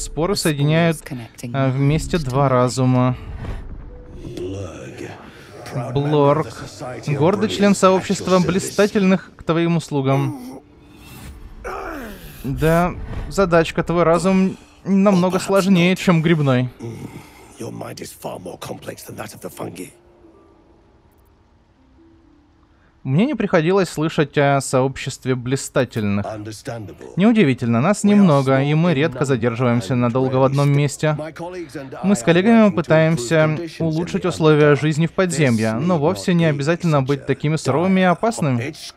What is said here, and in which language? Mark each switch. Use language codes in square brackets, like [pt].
[ru] Споры соединяют вместе два разума. Блорг. Гордый член сообщества блистательных к твоим услугам. Да, задачка. Твой разум намного сложнее, чем грибной. [en] Your mind is far more complex than that of the fungi. [ru] Мне не приходилось слышать о сообществе блистательных. Неудивительно, нас немного, и мы редко задерживаемся надолго в одном месте. Мы с коллегами пытаемся улучшить условия жизни в подземье, но вовсе не обязательно быть такими суровыми и опасными.